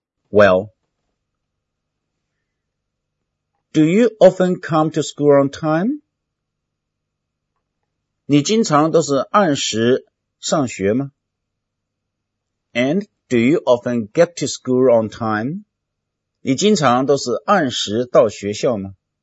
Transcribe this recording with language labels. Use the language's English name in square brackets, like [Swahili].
[English] Well,Do you often come to school on time? [Chinese] 你经常都是按时上学吗? [English] And do you often get to school on time? [Chinese] 你经常都是按时到学校吗?